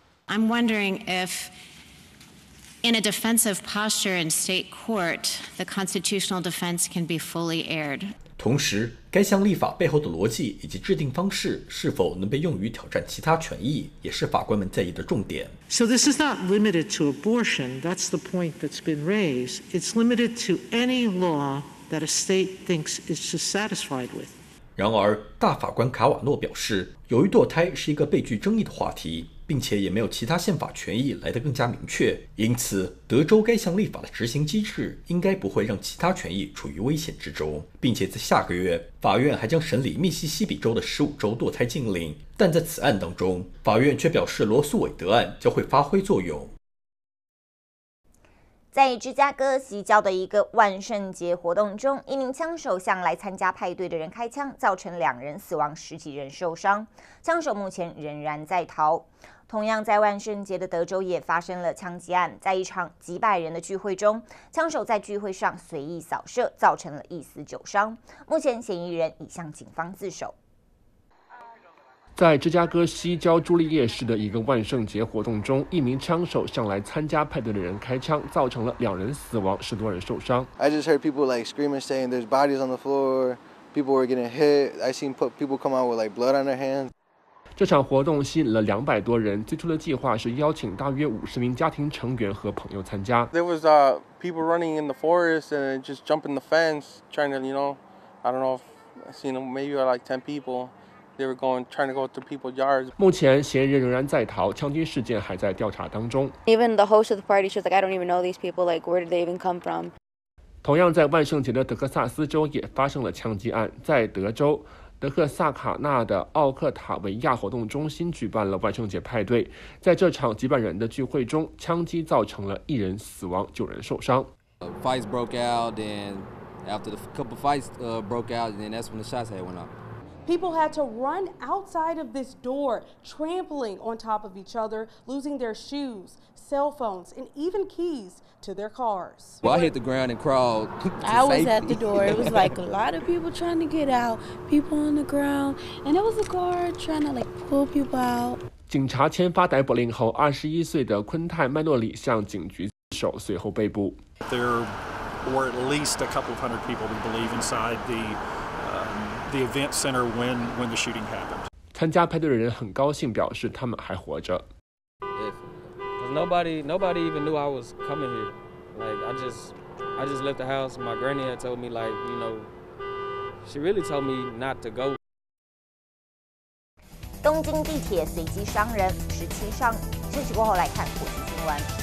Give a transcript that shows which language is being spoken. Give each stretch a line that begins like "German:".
English: I'm wondering if. In a defensive posture in state court, the constitutional defense can be fully aired.
Chinese: 同时，该项立法背后的逻辑以及制定方式是否能被用于挑战其他权益，也是法官们在意的重点。
English: So this is not limited to abortion. That's the point that's been raised. It's limited to any law that a state thinks is dissatisfied with.
Chinese: 然而，大法官卡瓦诺表示，由于堕胎是一个被具争议的话题。并且也没有其他宪法权益来得更加明确，因此德州该项立法的执行机制应该不会让其他权益处于危险之中。并且在下个月，法院还将审理密西西比州的15周堕胎禁令，但在此案当中，法院却表示罗素韦德案将会发挥作用。在芝加哥西郊的一个万圣节活动中，一名枪手向来参加派对的人开枪，造成2人死亡，10几人受伤。枪手目前仍然在逃。同样在万圣节的德州也发生了枪击案，在一场几百人的聚会中，枪手在聚会上随意扫射，造成了1死9伤。目前嫌疑人已向警方自首。在芝加哥西郊朱丽叶市的一个万圣节活动中，一名枪手向来参加派对的人开枪，造成了2人死亡，10多人受伤。
English: I just heard people like screaming, saying there's bodies on the floor. People were getting hit. I seen people come out with like blood on their hands.
Chinese: 这场活动吸引了200多人。最初的计划是邀请大约50名家庭成员和朋友参加。
English: There was people running in the forest and just jumping the fence, trying to, you know, I don't know, if I seen maybe like 10 people. They were going, trying to go through people's yards.
Chinese: 目前嫌疑人仍然在逃，枪击事件还在调查当中。
English: Even the host of the party, she's like, I don't even know these people. Like, where did they even come from?
Chinese: 同样在万圣节的德克萨斯州也发生了枪击案。在德州，德克萨卡纳的奥克塔维亚活动中心举办了万圣节派对。在这场几百人的聚会中，枪击造成了1人死亡，9人受伤。
English: Fights broke out, and after the couple fights broke out, and that's when the shots had went up. People had to run outside of this door, trampling on top of each other, losing their shoes, cell phones, and even keys to their cars. Well, I hit the ground and crawled. I was at the door. It was like a lot of people trying to get out, people on the ground, and it was a guard trying to like pull people out.
Chinese: 警察签发逮捕令后，21岁的昆泰·麦诺里向警局自首，随后被捕。
English: There were at least a couple of hundred people, we believe, inside the. The event center when the shooting happened.
Chinese: 参加派对的人很高兴，表示他们还活着。
English: Because nobody even knew I was coming here. Like I just left the house. My granny had told me like you know, she really told me not to go.
Chinese: 东京地铁随机伤人，17伤。休息过后来看国际新闻。